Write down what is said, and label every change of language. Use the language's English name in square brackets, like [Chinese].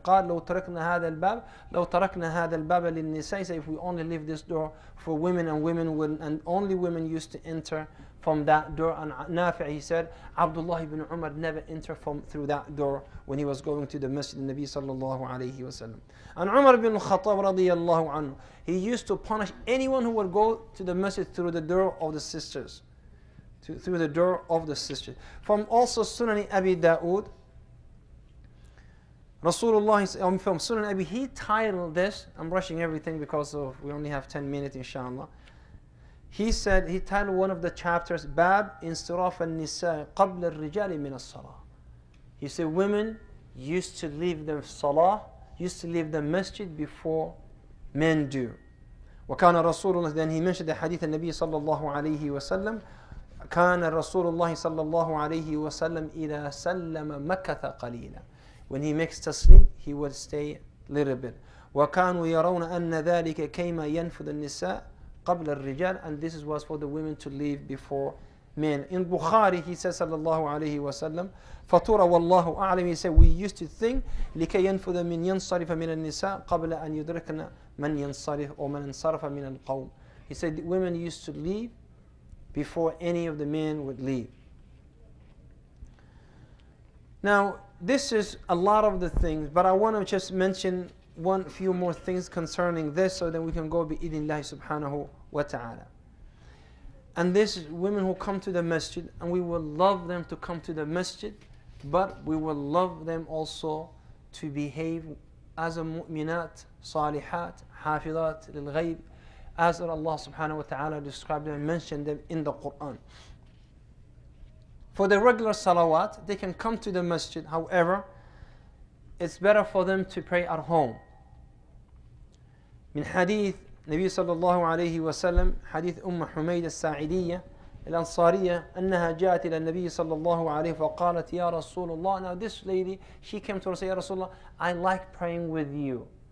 [Arabic] قال لو تركنا هذا الباب, لو تركنا هذا الباب للنساء. [English] He said, if we only leave this door for women, and women will, and only women used to enter from that door. And Nafi, he said, Abdullah ibn Umar never entered from through that door when he was going to the Masjid of Nabi sallallahu alayhi wa sallam. And Umar ibn Khattab radiyallahu anhu, he used to punish anyone who would go to the Masjid through the door of the sisters. Through the door of the sisters. From also Sunan Abi Daud, Rasulullah, from Sunan Abi, he titled this, I'm rushing everything because of we only have 10 minutes, inshallah. He said, he titled one of the chapters, Bab Insiraf al-Nisa Qabla al-Rijali min al-Salah. He said, women used to leave the salah, used to leave the masjid before men do. [Arabic] وكان Rasulullah, [English] then he mentioned the hadith of Nabi sallallahu alayhi wa sallam, [Arabic] كان رسول الله صلى الله عليه وسلم إذا سلم مكث قليلا. [English] When he makes taslim, he would stay a little bit. [Arabic] وكانوا يرون أن ذلك كيما ينفذ النساء قبل الرجال. [English] And this was for the women to leave before men. In Bukhari, he says [Arabic] صلى الله عليه وسلم فطور والله أعلم. [English] He said, we used to think [Arabic] لكي ينفذ من ينصرف من النساء قبل أن يدركنا من ينصرف أو من انصرف من القوم. [English] He said, women used to leave before any of the men would leave. Now, this is a lot of the things, but I want to just mention one few more things concerning this, so then we can go bi-idhnillahi subhanahu wa ta'ala. And this is women who come to the masjid, and we would love them to come to the masjid, but we would love them also to behave as a mu'minat, salihat, hafidat, lil-ghayb, as Allah subhanahu wa ta'ala described them and mentioned them in the Quran. For the regular salawat, they can come to the masjid. However, it's better for them to pray at home. [Arabic] من حديث نبي صلى الله عليه وسلم حديث أم حميدة الساعدية الأنصارية أنها جاءت إلى النبي صلى الله عليه وسلم وقالت يا رسول الله. [English] Now this lady, she came to her and said, [Arabic] يا رسول الله, [English] I like praying with you.